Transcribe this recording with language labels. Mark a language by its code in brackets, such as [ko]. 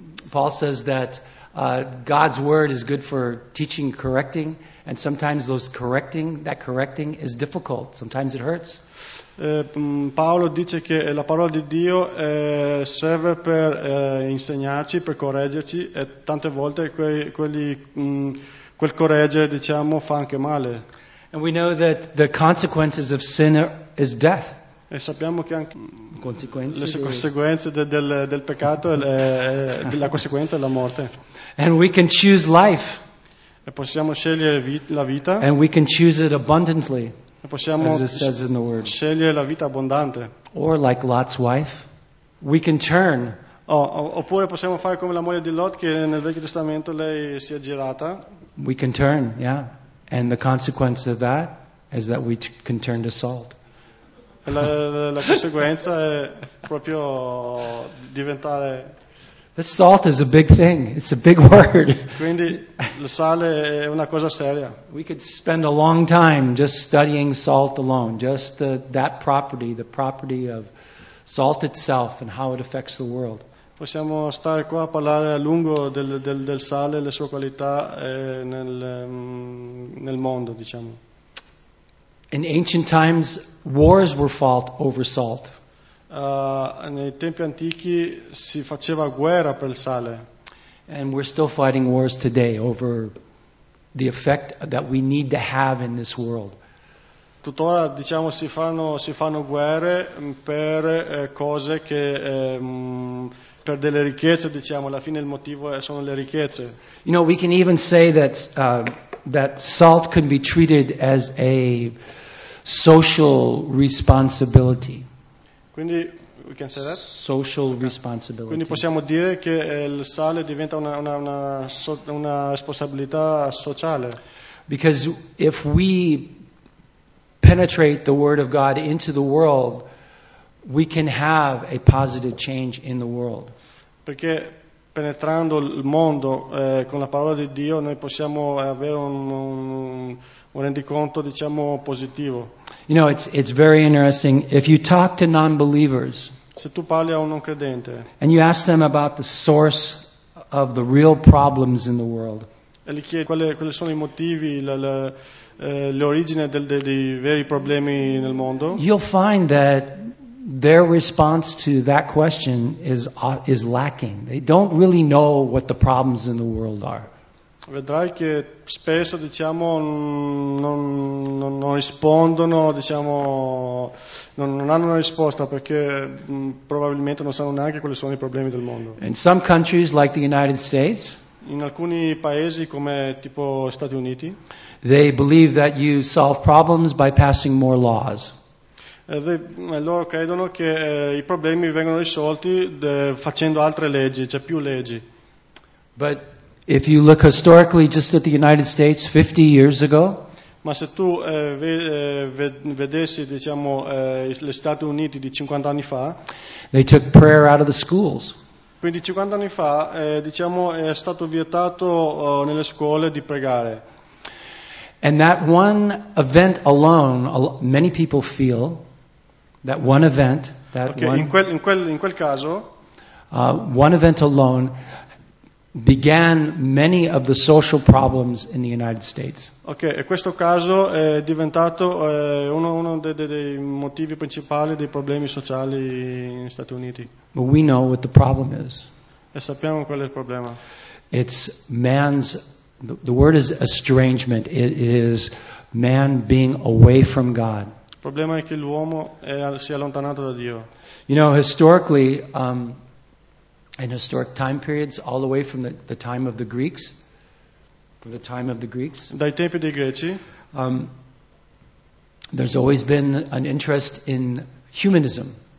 [en] Paul says that God's word is good for teaching, correcting, and sometimes correcting is difficult. Sometimes it hurts. [it] Paolo dice che la parola di Dio serve per insegnarci, per correggerci, e tante volte quel correggere, diciamo, fa anche male. [en] And we know that the consequences of sin is death. [it] E sappiamo che anche conseguenze del peccato la conseguenza è la morte. [en] And we can choose life. [it] E possiamo scegliere la vita. [en] And we can choose it abundantly. [it] E possiamo, [en] as it says in the word. [it] Scegliere la vita abbondante. [en] Or like Lot's wife, we can turn. [it] Oppure possiamo fare come la moglie di Lot, che nel Vecchio Testamento lei si è girata. [en] We can turn, yeah. And the consequence of that is that we can turn to salt. [it] La conseguenza è proprio diventare. [en] This salt is a big thing. It's a big word. [it] Quindi il sale è una cosa seria. [en] We could spend a long time just studying salt alone, just the property of salt itself and how it affects the world. [it] Possiamo stare qua a parlare a lungo del sale e le sue qualità nel mondo, diciamo. [en] In ancient times, wars were fought over salt. [it] Nei tempi antichi si faceva guerra per il sale. [en] And we're still fighting wars today over the effect that we need to have in this world. [it] Tuttora, diciamo, si fanno guerre per cose che per delle ricchezze, diciamo, alla fine il motivo sono le ricchezze. [en] You know, we can even say that that salt can be treated as a social responsibility. [it] Quindi [en] we can say that? Social responsibility. [it] Quindi possiamo dire che il sale diventa una responsabilità sociale. [en] Because if we penetrate the word of God into the world, we can have a positive change in the world. [it] Perché penetrando il mondo con la parola di Dio noi possiamo avere un rendiconto, diciamo, positivo. [en] You know, it's very interesting. If you talk to non-believers, [it] se tu parli a un non credente, [en] and you ask them about the source of the real problems in the world, [it] e gli chiedi quali sono i motivi, l'origine dei veri problemi nel mondo, [en] you'll find that their response to that question is lacking. They don't really know what the problems in the world are. [it] Vedrai che spesso, diciamo, non rispondono, diciamo, non hanno una risposta, perché probabilmente non sanno neanche quali sono i problemi del mondo. [en] In some countries like the United States, [it] in alcuni paesi come tipo Stati Uniti, [en] they believe that you solve problems by passing more laws. [it] Loro credono che i problemi vengono risolti facendo altre leggi, c'è più leggi. [en] But if you look historically just at the United States 50 years ago, [it] ma se tu vedessi, diciamo, gli Stati Uniti di 50 anni fa, [en] they took prayer out of the schools. [it] Quindi 50 anni fa, diciamo, è stato vietato nelle scuole di pregare. [en] And that one event alone, many people feel that one event, that okay, one, [it] in quel caso, [en] one event alone began many of the social problems in the United States. [it] Okay, e questo caso è diventato uno dei motivi principali dei problemi sociali negli Stati Uniti. [en] But we know what the problem is. [it] E sappiamo qual è il problema. [en] It's man's, the word is estrangement. It is man being away from God. [it] Il problema è che l'uomo si è allontanato da Dio. [en] You know, historically, in historic time periods, all the way from the time of the Greeks, from the time of the Greeks, [it] dai tempi dei Greci, [en] there's always been an interest in humanism.